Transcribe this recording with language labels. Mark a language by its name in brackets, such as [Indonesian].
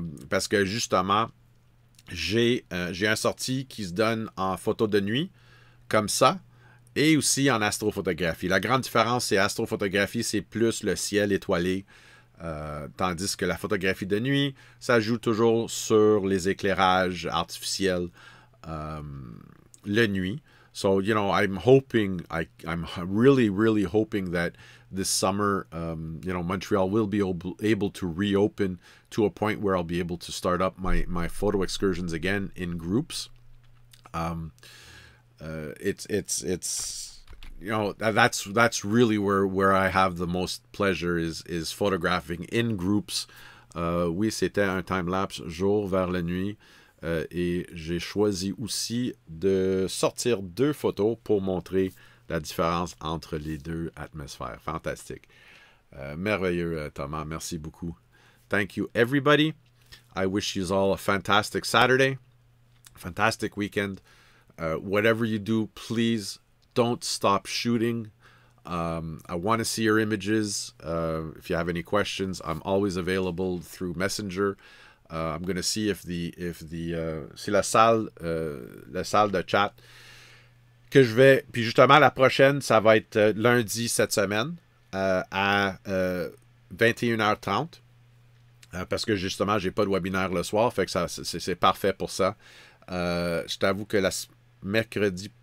[French] Parce que justement, j'ai un sortie qui se donne en photo de nuit, comme ça, et aussi en astrophotographie. La grande différence, c'est astrophotographie, c'est plus le ciel étoilé. Tandis que la photographie de nuit, ça joue toujours sur les éclairages artificiels. Le nuit. [English] So, I'm really, really hoping that this summer, Montreal will be able to reopen to a point where I'll be able to start up my photo excursions again in groups. That's really where I have the most pleasure is photographing in groups. [French] Oui, c'était un time-lapse jour vers la nuit. Et j'ai choisi aussi de sortir deux photos pour montrer la différence entre les deux atmosphères. Fantastique. Merveilleux, Thomas. Merci beaucoup. [English] Thank you, everybody. I wish you all a fantastic Saturday, fantastic weekend. Whatever you do, please don't stop shooting. I want to see your images. If you have any questions, I'm always available through Messenger. I'm going to see [French] si la salle de chat que je vais, puis justement la prochaine, ça va être lundi cette semaine à 21h30, parce que justement j'ai pas de webinaire le soir, fait que ça c'est parfait pour ça. Je t'avoue que la mercredi